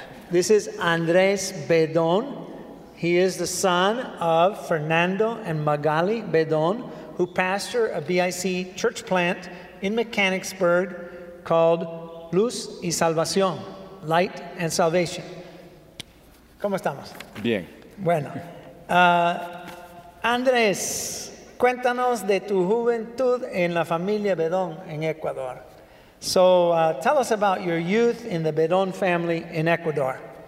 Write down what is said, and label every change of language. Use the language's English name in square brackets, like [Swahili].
[English] This is Andres Bedón. He is the son of Fernando and Magali Bedón, who pastor a BIC church plant in Mechanicsburg called Luz y Salvación, Light and Salvation. [Spanish] ¿Cómo estamos? Bien. Bueno. Andres, cuéntanos de tu juventud en la familia Bedón en Ecuador. [English] So tell us about your youth in the Bedón family in Ecuador.